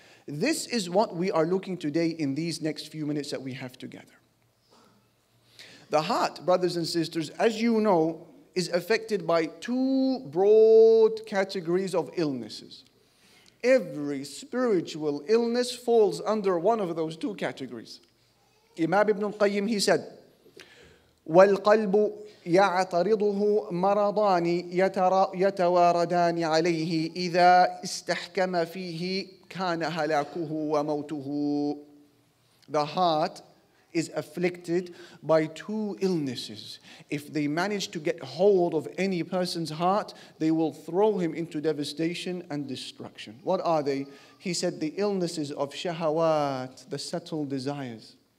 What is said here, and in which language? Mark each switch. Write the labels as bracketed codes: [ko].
[en] This is what we are looking today in these next few minutes that we have together. The heart, brothers and sisters, as you know, is affected by two broad categories of illnesses. Every spiritual illness falls under one of those two categories. Imam Ibn Qayyim, he said, [ar] وَالْقَلْبُ يَعْتَرِضُهُ مَرَضَانِ يَتَوَارَدَانِ عَلَيْهِ إِذَا اسْتَحْكَمَ فِيهِ كَانَ هَلَاكُهُ وَمَوْتُهُ. [en] The heart is afflicted by two illnesses. If they manage to get hold of any person's heart, they will throw him into devastation and destruction. What are they? He said the illnesses of shahawat, the subtle desires.